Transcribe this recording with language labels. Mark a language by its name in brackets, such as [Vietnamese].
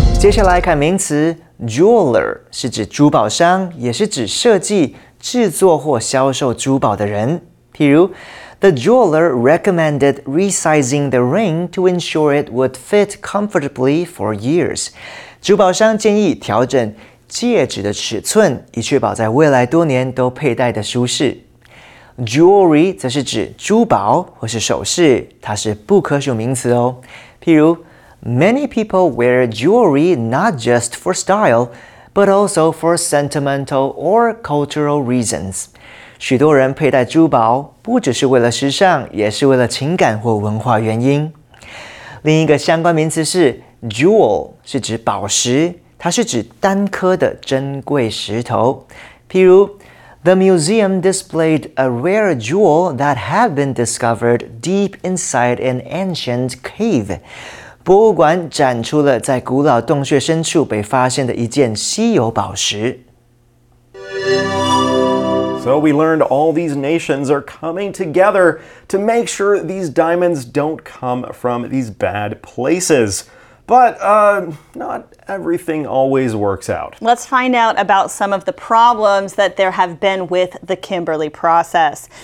[Chinese] Jeweler 是指珠宝商, 也是指设计、制作或销售珠宝的人。譬如, [English] the jeweler recommended resizing the ring to ensure it would fit comfortably for years. [Chinese] 珠宝商建议调整戒指的尺寸，以确保在未来多年都佩戴的舒适。Jewelry则是指珠宝或是首饰，它是不可数名词哦。譬如 ， [English] many people wear jewelry not just for style, but also for sentimental or cultural reasons. [Chinese] 许多人佩戴珠宝不只是为了时尚，也是为了情感或文化原因。另一个相关名词是 jewel， 是指宝石。 它是指单颗的珍贵石头，譬如 [English] The museum displayed a rare jewel that had been discovered deep inside an ancient cave. [Chinese] 博物馆展出了在古老洞穴深处被发现的一件稀有宝石。 [English] So we learned all these nations are coming together to make sure these diamonds don't come from these bad places. But, not everything always works out. Let's find out about some of the problems that there have been with the Kimberley process.